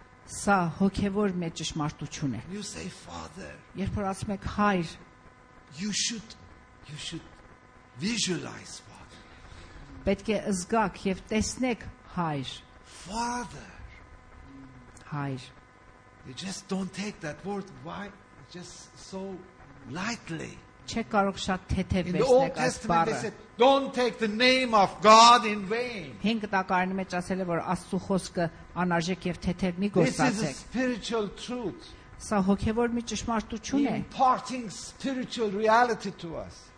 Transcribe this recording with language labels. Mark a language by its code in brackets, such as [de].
[hy] Սա հոգևոր մեծ ճշմարտություն է։ [en] You say Father. [hy] Երբ որ ասում եք հայր, [en] you should visualize Father. [hy] Պետք է զգաք եւ տեսնեք հայր. [en] Father. [hy] Հայր. [en] You just don't take that word why just so lightly. [hy] Չեք կարող շատ թեթև վերցնեք այս բառը։ [en] Don't take the name of God in vain. [hy] Հինգ տակարանի մեջ ասել է որ Աստծո խոսքը անարժեք եւ թեթեւ մի գործածեք։ [en] This is a spiritual truth. [hy] Սա հոգեվոր մի ճշմարտություն է։ [en] Imparting spiritual reality to us.